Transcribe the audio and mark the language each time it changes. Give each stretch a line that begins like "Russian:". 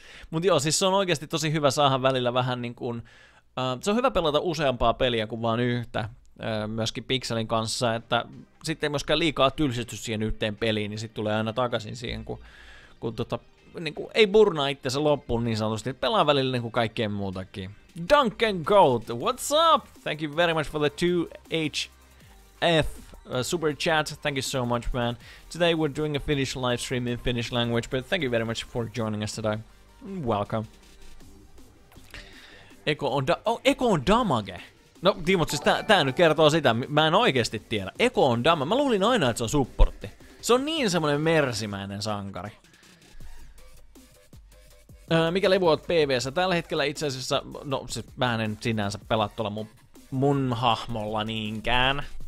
Finnish: Mut joo, siis se on oikeesti tosi hyvä saada välillä vähän niin kuin... se on hyvä pelata useampaa peliä kuin vaan yhtä. myöskin Pixelin kanssa, että sitten ei myöskään liikaa tylsisty siihen yhteen peliin, niin sitten tulee aina takaisin siihen, kun tota, niin kuin ei burnaa itsensä loppuun niin sanotusti, pelaa välillä niin kuin kaikkeen muutakin.
English: Duncan Gold, what's up? Thank you very much for the 2HF super chat. Thank you so much, man. Today we're doing a Finnish live stream in Finnish language, but thank you very much for joining us today. Welcome.
Finnish: Eko on damage. No, Timo, siis tää nyt kertoo sitä. Mä en oikeesti tiedä. Eko on damage. Mä luulin aina, että se on supportti. Se on niin semmonen mersimäinen sankari. Mikä levy oot PV:ssä? Tällä hetkellä itse asiassa, no siis mä en sinänsä pelaa tuolla mun hahmolla niinkään.